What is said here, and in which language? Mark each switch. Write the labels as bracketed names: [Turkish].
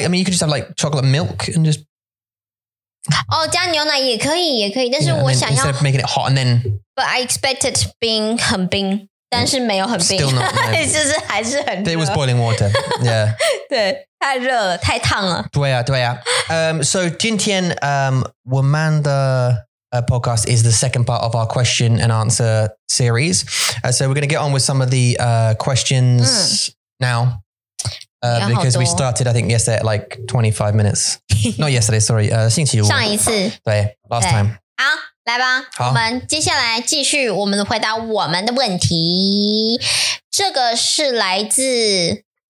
[English] I mean, you could just have like chocolate milk and just... [Chinese] Oh, 加牛奶也可以, 但是我想要... [English] Instead of making it hot and then... But I expected being [Chinese] 很冰, [English] 但是 [Chinese] 没有很冰. [English] Still not, no. It's just [Chinese] 还是很热. [English] It was boiling water, yeah. [Chinese] 对. 太热了，太烫了。对啊，对啊。So [English] 今天 Womanda podcast is the second part of our question and answer series. So we're going to get on with some of the questions now because we started, I think, yesterday at like 25 minutes. Not yesterday, sorry. [Chinese] 星期五。上一次。对, [English] last time. [Chinese] 好，来吧。我们接下来继续我们回答我们的问题。这个是来自。